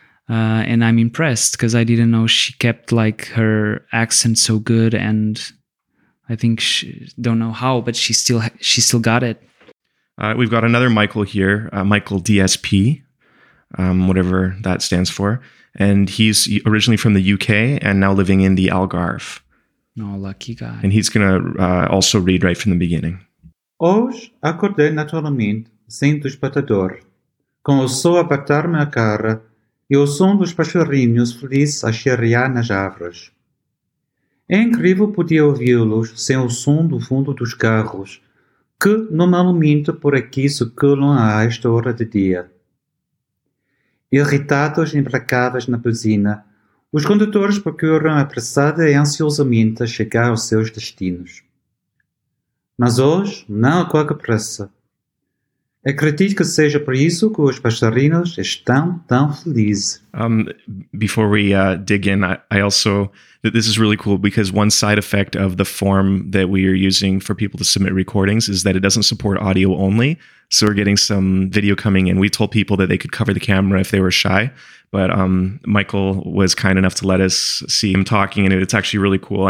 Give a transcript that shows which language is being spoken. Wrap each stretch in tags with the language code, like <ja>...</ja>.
<en>And I'm impressed because I didn't know she kept like her accent so good, and I think she don't know how, but she still got it. We've got another Michael here, Michael DSP, whatever that stands for, and he's originally from the UK and now living in the Algarve. Oh, lucky guy! And he's gonna also read right from the beginning.</en> <pt>Hoje acordei naturalmente sem despertador, com o sol a bater-me na cara. E o som dos pássaros felizes a cheirar nas árvores. É incrível poder ouvi-los sem o som do fundo dos carros, que normalmente por aqui se colam a esta hora de dia. Irritados e embracados na buzina, os condutores procuram apressada e ansiosamente chegar aos seus destinos. Mas hoje não há qualquer pressa. Acredito que seja por isso que os passarinhos estão tão felizes.</pt> <en>Before we dig in, I also, this is really cool because one side effect of the form that we are using for people to submit recordings is that it doesn't support audio only. So we're getting some video coming in. We told people that they could cover the camera if they were shy, but Michael was kind enough to let us see him talking, and it's actually really cool.</en>